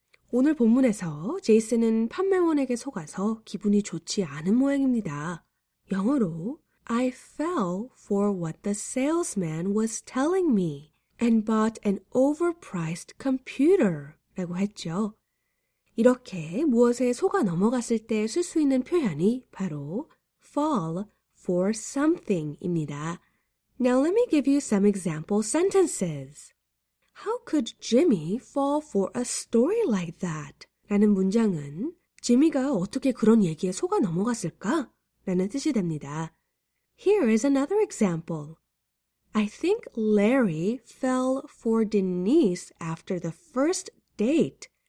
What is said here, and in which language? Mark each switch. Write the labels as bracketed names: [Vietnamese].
[Korean] 오늘 본문에서 제이슨은 판매원에게 속아서 기분이 좋지 않은 모양입니다. 영어로 [English] I fell for what the salesman was telling me and bought an overpriced computer [Korean] 라고 했죠. 이렇게 무엇에 속아 넘어갔을 때 쓸 수 있는 표현이 바로 fall for something입니다. [English] Now let me give you some example sentences. How could Jimmy fall for a story like that? [Korean] 라는 문장은 Jimmy가 어떻게 그런 얘기에 속아 넘어갔을까? 라는 뜻이 됩니다. [English] Here is another example. I think Larry fell for Denise after the first date.